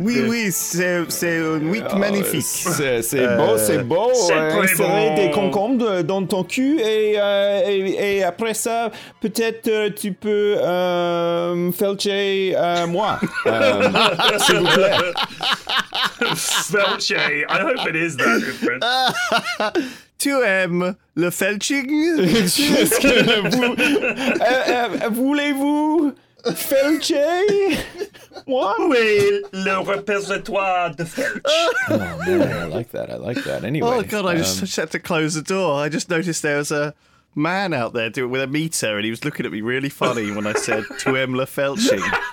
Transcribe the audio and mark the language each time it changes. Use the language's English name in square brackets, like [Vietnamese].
[French] Oui, oui, c'est une week magnifique. C'est beau. C'est très bon. Des concombres dans ton cul et après ça, peut-être tu peux felcher moi. S'il vous plaît. Felching. [English] I hope it is that different. [French] Tu aimes le felching? Est-ce que vous voulez-vous felcher? Moi? Oui, le répertoire de felch. [English] Oh man, I like that. Anyway. Oh god, I just had to close the door. I just noticed there was a man out there doing with a meter, and he was looking at me really funny when I said [French] "tu aimes le felching."